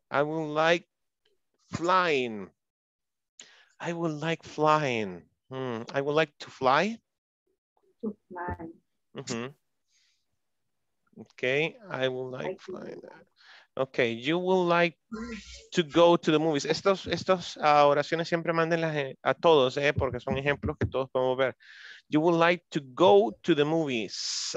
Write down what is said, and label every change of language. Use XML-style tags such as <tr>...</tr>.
<en>I would like flying. I would like flying. I would like to fly. To fly. Mm-hmm. Okay. I would like flying. Okay, you would like to go to the movies.</en> <es>Estas oraciones siempre mándenlas a todos, porque son ejemplos que todos podemos ver.</es> <en>You would like to go to the movies.</en>